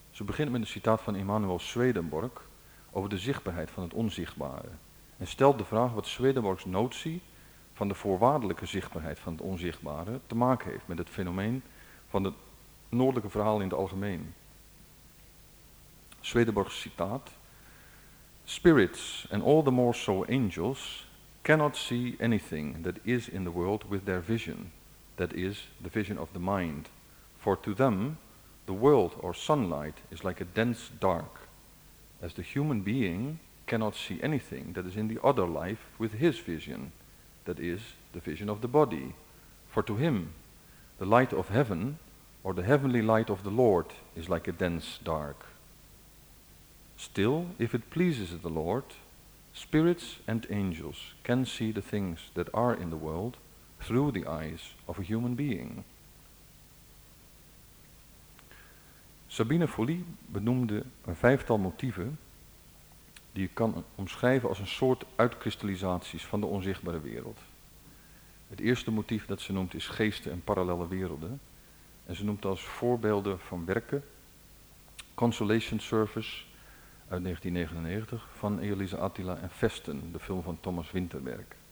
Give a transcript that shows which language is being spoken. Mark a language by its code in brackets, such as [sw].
[nl] Ze begint met een citaat van Emanuel Swedenborg over de zichtbaarheid van het onzichtbare en stelt de vraag wat Swedenborgs notie van de voorwaardelijke zichtbaarheid van het onzichtbare te maken heeft met het fenomeen van het noordelijke verhaal in het algemeen. Swedenborg's citaat, [en] spirits, and all the more so angels, cannot see anything that is in the world with their vision, that is, the vision of the mind. For to them, the world or sunlight is like a dense dark, as the human being cannot see anything that is in the other life with his vision, that is, the vision of the body. For to him, the light of heaven, or the heavenly light of the Lord, is like a dense dark. Still, if it pleases the Lord, spirits and angels can see the things that are in the world through the eyes of a human being. [nl] Sabine Folie benoemde een vijftal motieven die je kan omschrijven als een soort uitkristallisaties van de onzichtbare wereld. Het eerste motief dat ze noemt is geesten en parallele werelden. En ze noemt als voorbeelden van werken Consolation Service uit 1999 van Elisa Attila en Vesten, de film van Thomas Winterberg.